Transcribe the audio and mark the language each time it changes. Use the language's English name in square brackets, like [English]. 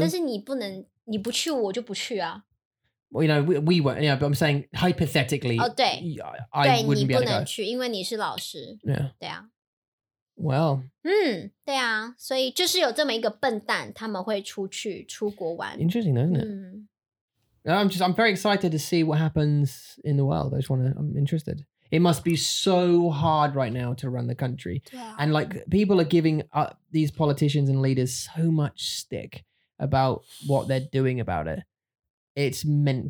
[Chinese] 但是你不能, 你不去, 我就不去啊。 [English] Well, you know, we weren't, yeah, but I'm saying hypothetically, oh, [Chinese] 对, [English] I [Chinese] 对, [English] wouldn't be able to go. [Chinese] 去,因为你是老师, [English] yeah. [Chinese] 对啊。 [English] Well. [Chinese] 对啊, 所以就是有这么一个笨蛋, 他们会出去, 出国玩。 [English] Interesting, though, isn't it? I'm very excited to see what happens in the world. I'm interested. It must be so hard right now to run the country. [Chinese] 对啊。 [English] And like, people are giving these politicians and leaders so much stick about what they're doing about it. It's meant.